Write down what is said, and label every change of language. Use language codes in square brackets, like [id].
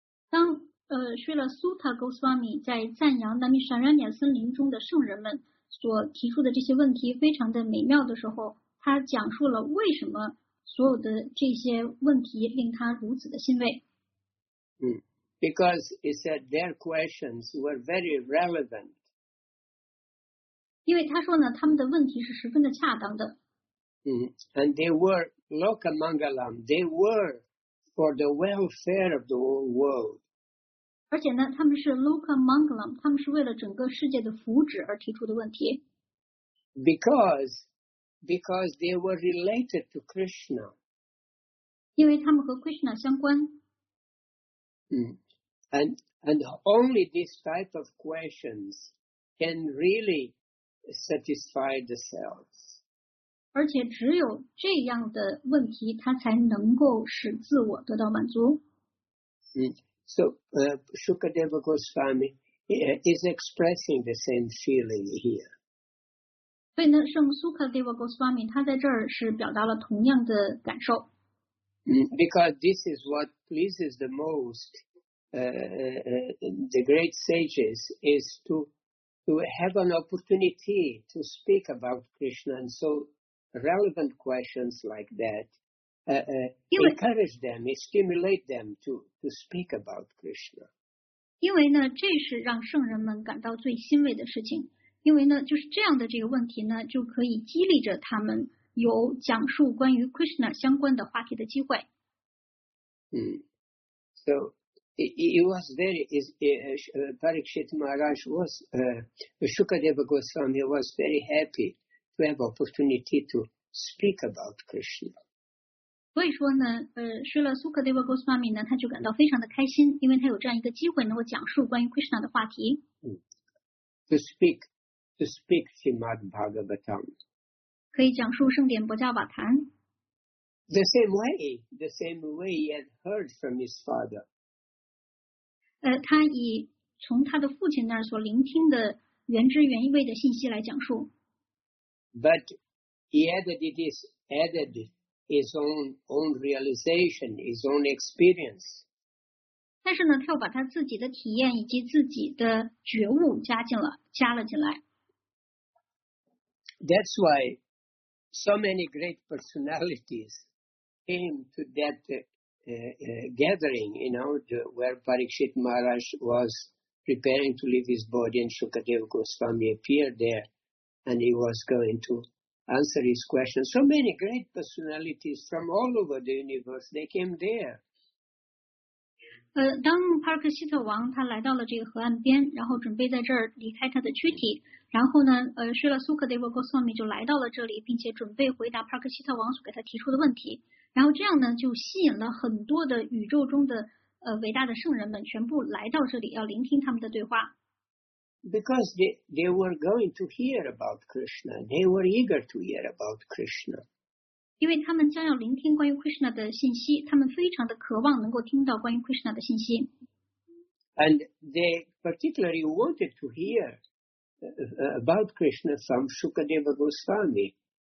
[zh] 当Srila Sutta Goswami 在赞扬 Namisharanya 森林中的圣人们所提出的这些问题非常的美妙的时候，他讲述了为什么所有的这些问题令他如此的欣慰。 [en] Because he said their questions were very relevant. [zh] 因为他说呢，他们的问题是十分的恰当的。 [en] And they were Lokamangalam. They were for the welfare of the whole world. [zh] 而且呢，他们是 Lokamangalam， 他们是为了整个世界的福祉而提出的问题。 [en] Because they were related to Krishna. [zh] 因为他们和 Krishna 相关。 [en] And only this type of questions can really satisfy the selves. [zh] 而且只有这样的问题，它才能够使自我得到满足。 [en] So Shukadeva Goswami is expressing the same feeling here. [zh] 所以呢，圣苏卡德瓦戈斯瓦米他在这儿是表达了同样的感受。 [en] Because this is what pleases the most. The great sages is to have an opportunity to speak about Krishna, and so relevant questions like that encourage them, stimulate them to speak about Krishna. [zh] 因为呢，这是让圣人们感到最欣慰的事情。因为呢，就是这样的这个问题呢，就可以激励着他们有讲述关于 Krishna 相关的话题的机会。 [en] So. Parikshit Maharaj was, Shukadeva Goswami was very happy to have opportunity to speak about Krishna. [zh] 所以说呢，Srila Sukadeva Goswami 呢，他就感到非常的开心，因为他有这样一个机会能够讲述关于 Krishna 的话题。 [en] To speak Srimad Bhagavatam. [zh] 可以讲述圣典薄伽瓦坛。 [en] The same way he had heard from his father. [zh] 他以从他的父亲那儿所聆听的原汁原味的信息来讲述。 [en] But he added his own realization, his own experience. [zh] 但是呢，他又把他自己的体验以及自己的觉悟加了进来。 [en] That's why so many great personalities came to that. Gathering, you know, where Parikshit Maharaj was preparing to leave his body and Shukadeva Goswami appeared there and he was going to answer his questions. So many great personalities from all over the universe, they came there. [zh] 当 Parikshit 王他来到了这个河岸边，然后准备在这儿离开他的躯体，然后呢，Srila Sukadeva Goswami 就来到了这里，并且准备回答 Parikshit 王所给他提出的问题。然后这样呢，就吸引了很多的宇宙中的伟大的圣人们全部来到这里，要聆听他们的对话。 [en] Because they were going to hear about Krishna, they were eager to hear about Krishna. [zh] 因为他们将要聆听关于 Krishna 的信息，他们非常的渴望能够听到关于 Krishna 的信息。 [en] And they particularly wanted to hear about Krishna from Shukadeva Goswami.